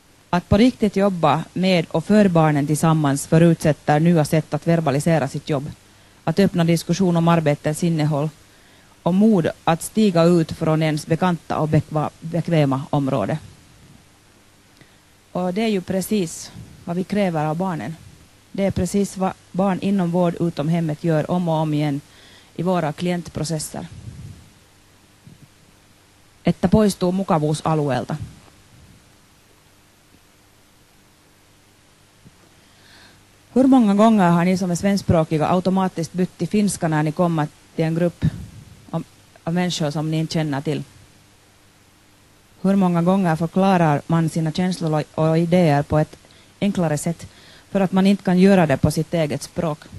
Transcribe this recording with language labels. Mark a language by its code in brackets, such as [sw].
[sv] Att på riktigt jobba med och för barnen tillsammans förutsätter nya sätt att verbalisera sitt jobb, att öppna diskussion om arbetets innehåll och mod att stiga ut från ens bekanta och bekväma område. Och det är ju precis vad vi kräver av barnen. Det är precis vad barn inom vård utom hemmet gör om och om igen i våra klientprocesser. [fi] Että poistuu mukavuusalueelta. [sv] Hur många gånger har ni som är svenskspråkiga automatiskt bytt till finska när ni kommer till en grupp av människor som ni inte känner till? Hur många gånger förklarar man sina känslor och idéer på ett enklare sätt för att man inte kan göra det på sitt eget språk?